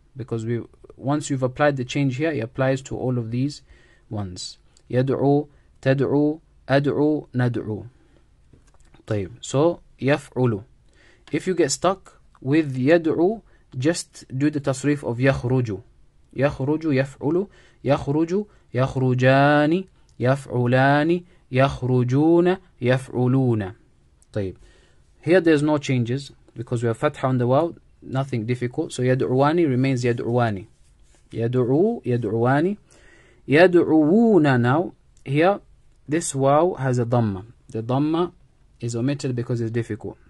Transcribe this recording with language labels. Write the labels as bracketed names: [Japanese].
[English] because we once you've applied the change here, it applies to all of these ones. [Arabic] يدعو تدعو أدعو ندعو. طيب. [English] So يفعل. If you get stuck with يدعو, just do the tasrif of يخرج. [Arabic] يخرج يفعل يخرج يخرجان يفعلان يخرجون يفعلون. طيب. [English] Here there's no changes because we have fatha on the waw. Nothing difficult. So يدعواني remains يدعواني. [Arabic] يدعو يدعواني. يدعوون now. [English] Here, this waw has a dhamma. The dhamma is omitted because it's difficult.